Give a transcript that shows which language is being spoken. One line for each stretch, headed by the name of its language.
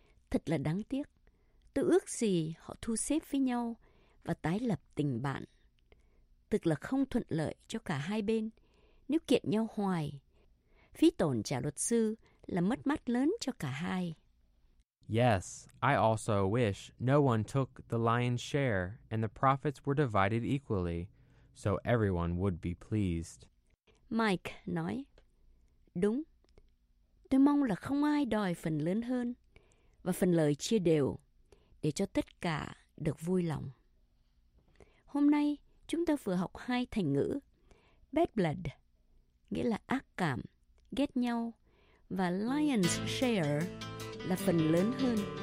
Vietnamese: Thật là đáng tiếc. Tôi ước gì họ thu xếp với nhau và tái lập tình bạn. Thực là không thuận lợi cho cả hai bên nếu kiện nhau hoài. Phí tổn trả luật sư là mất mát lớn cho cả hai.
English: Yes, I also wish no one took the lion's share and the profits were divided equally, so everyone would be pleased.
Vietnamese: Mike nói, đúng, tôi mong là không ai đòi phần lớn hơn và phần lời chia đều để cho tất cả được vui lòng. Hôm nay, chúng ta vừa học hai thành ngữ,
English: bad blood,
Vietnamese: nghĩa là ác cảm, ghét nhau, và
English: lion's share
Vietnamese: là phần lớn hơn.